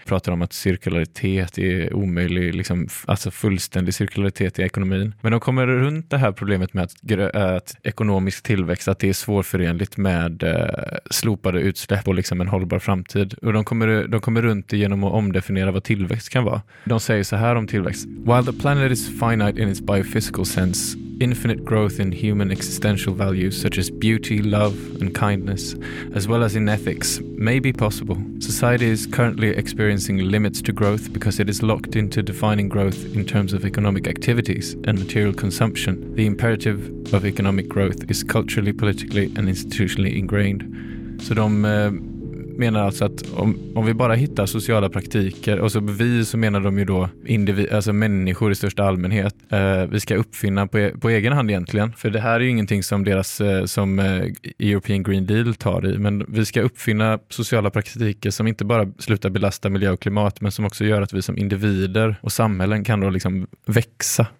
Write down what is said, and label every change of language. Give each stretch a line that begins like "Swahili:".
Swedish: Pratar om att cirkularitet är omöjlig, liksom, alltså fullständig cirkularitet i ekonomin. Men de kommer runt det här problemet med att ekonomisk tillväxt, att det är svårförenligt med slopade utsläpp och liksom en hållbar framtid. Och de kommer runt det genom att omdefiniera vad tillväxt kan vara. De säger så här om tillväxt:
English: while the planet is finite in its biophysical sense, infinite growth in human existential values such as beauty, love and kindness, as well as in ethics, may be possible. Society is currently experiencing limits to growth because it is locked into defining growth in terms of economic activities and material consumption. The imperative of economic growth is culturally, politically and institutionally ingrained.
Swedish: Så de menar alltså att om vi bara hittar sociala praktiker, och så vi, så menar de ju då alltså människor i största allmänhet, vi ska uppfinna på egen hand egentligen, för det här är ju ingenting som deras som European Green Deal tar i, men vi ska uppfinna sociala praktiker som inte bara slutar belasta miljö och klimat, men som också gör att vi som individer och samhällen kan då liksom växa.